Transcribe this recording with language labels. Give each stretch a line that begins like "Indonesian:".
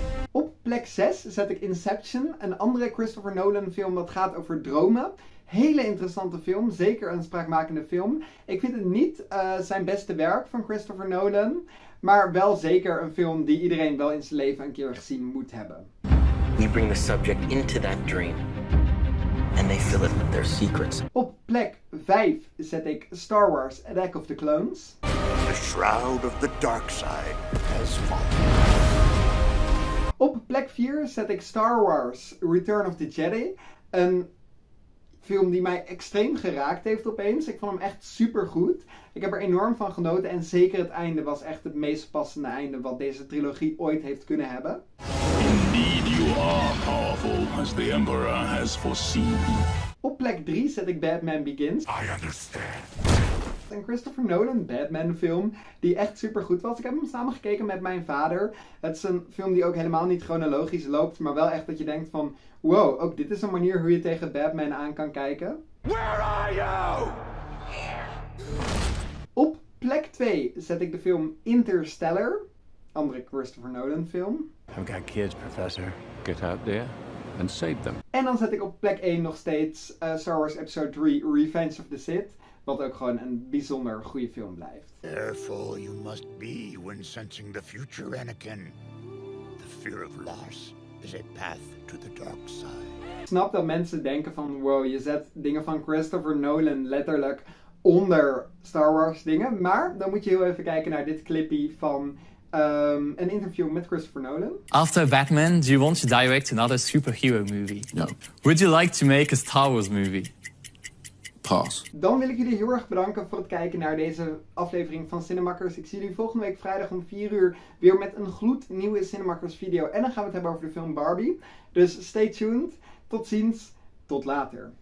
Dutch: Op plek 6 zet ik Inception, een andere Christopher Nolan film dat gaat over dromen. Hele interessante film, zeker een spraakmakende film. Ik vind het niet zijn beste werk van Christopher Nolan, maar wel zeker een film die iedereen wel in zijn leven een keer gezien moet hebben.
English: We bring the subject into that dream and they fill it with their secrets.
Dutch: Op plek 5 zet ik Star Wars Attack of the Clones.
English: The shroud of the dark side has fallen.
Dutch: Op plek 4 zet ik Star Wars Return of the Jedi, een film die mij extreem geraakt heeft opeens. Ik vond hem echt super goed. Ik heb er enorm van genoten. En zeker het einde was echt het meest passende einde wat deze trilogie ooit heeft kunnen hebben.
English: Indeed, you are powerful, as the Emperor has foreseen.
Dutch: Op plek 3 zet ik Batman Begins.
English: I understand.
Dutch: Een Christopher Nolan Batman film die echt super goed was. Ik heb hem samen gekeken met mijn vader. Het is een film die ook helemaal niet chronologisch loopt, maar wel echt dat je denkt van, wow, ook dit is een manier hoe je tegen Batman aan kan kijken.
English: Where are you?
Dutch: Op plek 2 zet ik de film Interstellar. Andere Christopher Nolan film.
English: I've got kids, professor. Get out there. And save them.
Dutch: En dan zet ik op plek 1 nog steeds Star Wars Episode 3 Revenge of the Sith. Wat ook gewoon een bijzonder goede film blijft.
English: Careful you must be when sensing the future, Anakin. The fear of loss is a path to the dark side.
Dutch: Ik snap dat mensen denken van, wow, je zet dingen van Christopher Nolan letterlijk onder Star Wars dingen. Maar dan moet je heel even kijken naar dit clipje van een interview met Christopher Nolan.
English: After Batman, do you want to direct another superhero movie? No. Would you like to make a Star Wars movie? Pass.
Dutch: Dan wil ik jullie heel erg bedanken voor het kijken naar deze aflevering van Cinemakkers. Ik zie jullie volgende week vrijdag om 4 uur weer met een gloednieuwe Cinemakkers video. En dan gaan we het hebben over de film Barbie. Dus
English: stay tuned.
Dutch: Tot ziens. Tot later.